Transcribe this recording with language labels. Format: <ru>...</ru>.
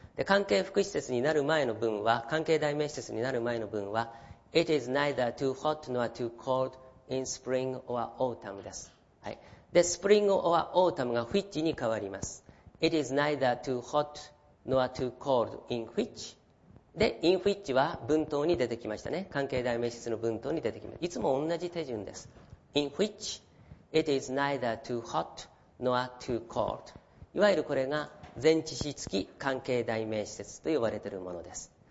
<ja>で関係副詞節になる前の文は、関係代名詞節になる前の文は</ja> <en>It is neither too hot nor too cold in spring or autumn</en> <ja>です、はい、で spring or autumn が which に変わります。</ja> <en>It is neither too hot nor too cold in whichで、in which</en> <ja>は文頭に出てきましたね。関係代名詞の文頭に出てきました。いつも同じ手順です。</ja> <en>in which it is neither too hot nor too cold。</en> <ja>いわゆるこれが前置詞付き関係代名詞と呼ばれているものです。</ja>